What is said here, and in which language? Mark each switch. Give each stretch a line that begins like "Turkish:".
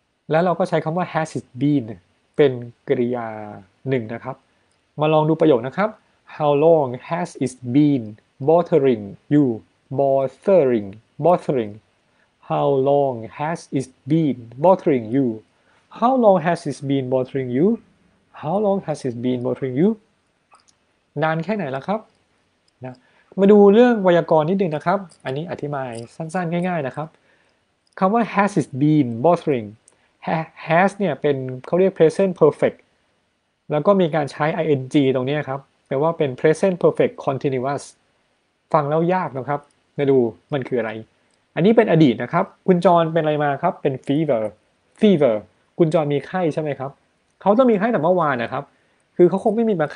Thai: แล้วเราก็ใช้คำว่า
English: has it been
Thai: เป็นกริยาหนึ่งนะครับมาลองดูประโยคนะครับ
English: How long has it been bothering you bothering botheringHow long has it been bothering you? How long has it been bothering you? How long has it been bothering you?
Thai: นานแค่ไหนแล้วครับนะมาดูเรื่องไวยากรณ์นิดนึงนะครับอันนี้อธิบายสั้นๆง่ายๆนะครับคำว่า
English: has it been bothering
Thai: has เนี่ยเป็นเขาเรียก present perfect แล้วก็มีการใช้ ing ตรงนี้ครับแปลว่าเป็น present perfect continuous ฟังแล้วยากนะครับมาดูมันคืออะไรอันนี้เป็นอดีตนะครับคุณจอนเป็นอะไรมาครับเป็น fever fever คุณจอนมีไข้ใช่ไหมครับเขาต้องมีไข้แต่เมื่อวานนะครับคือเขาคงไม่มี